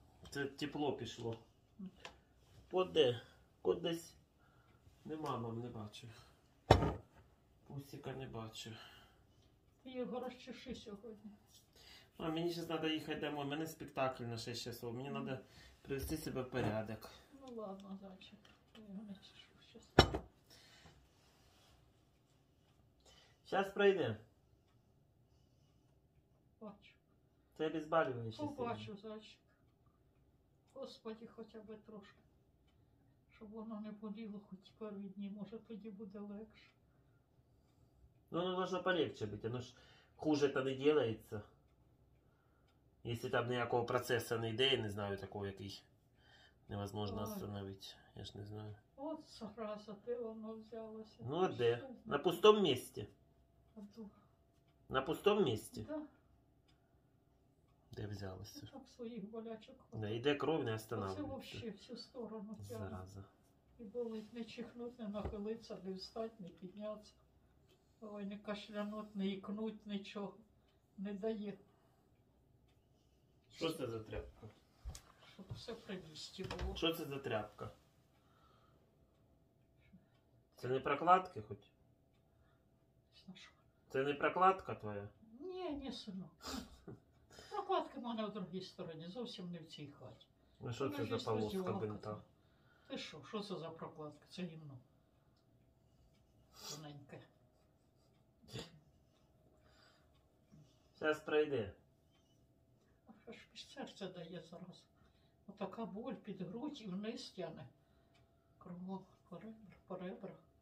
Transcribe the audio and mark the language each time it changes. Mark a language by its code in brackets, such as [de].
[uk] Це тепло пішло. От де? От десь? Нема, мам, не бачу. Пусіка не бачу. Його розчеши сьогодні. А мені зараз треба їхати домой, у мене спектакль [ru] на 6 часов, [uk] мені треба привести себе в порядок. Ну ладно, зайчик, я не чешу зараз. Зараз пройде. Бачу. Ти обезболюєшся? Побачу, зайчик. Господи, хоча б трошки. Щоб воно не боліло хоч пару днів, може тоді буде легше. Ну, воно має полегче бути, воно ж хуже то не робиться. [ru] Если там никакого процесса не идея, не знаю, такого, який невозможно остановить. [uk] Я ж не знаю. От зараза, ти воно взялося. Ну а де? На пустом місці. Отух. На пустом місці? Так. Де взялося? Так своїх болячок. Да, і де кров не останавливає. Це вообще всю сторону тягне. Зараза. І болить не чихнуть, не нахилиться, не встать, не піднятися. Ой, не кашлянуть, не ікнуть, нічого. Не дає. Що це за тряпка? Щоб все привезти було. Що це за тряпка? Це не прокладки хоч? Знаю. Це не прокладка твоя? Ні, ні, синок. Прокладки в мене в другій стороні, зовсім не в цій хаті. Ну що це за полоска бинта? Ти що, що це за прокладка? Це гімно. Тоненьке. Зараз пройде. Серце дає зараз. Отака боль під грудь і вниз тяне. Кругом по ребрах, по ребрах.